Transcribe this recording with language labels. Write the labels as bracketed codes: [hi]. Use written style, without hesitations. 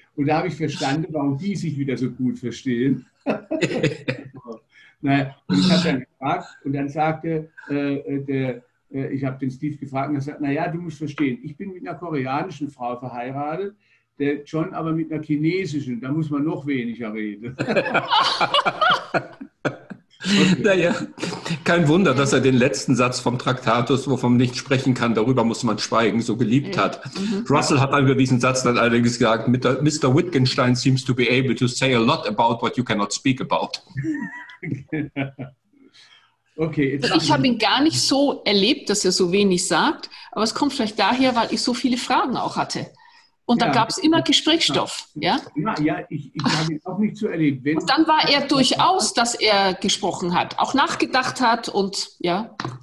[de] Und da habe ich verstanden, warum die sich wieder so gut verstehen. Naja, und ich habe dann gefragt und dann sagte ich habe den Steve gefragt und er sagt, naja, du musst verstehen, ich bin mit einer koreanischen Frau verheiratet, der John aber mit einer chinesischen, da muss man noch weniger reden. Okay. Naja, kein Wunder, dass er den letzten Satz vom Traktatus, wovon man nicht sprechen kann, darüber muss man schweigen, so geliebt hat. Mhm. Russell hat über diesen Satz dann allerdings gesagt, Mr. [en] Wittgenstein seems to be able to say a lot about what you cannot speak about. [de] Okay, ich habe ihn gar nicht so erlebt, dass er so wenig sagt, aber es kommt vielleicht daher, weil ich so viele Fragen auch hatte. Und da gab es immer Gesprächsstoff. Ja, ich habe ihn auch nicht so erlebt. Und dann war er durchaus, dass er gesprochen hat, auch nachgedacht hat und ja.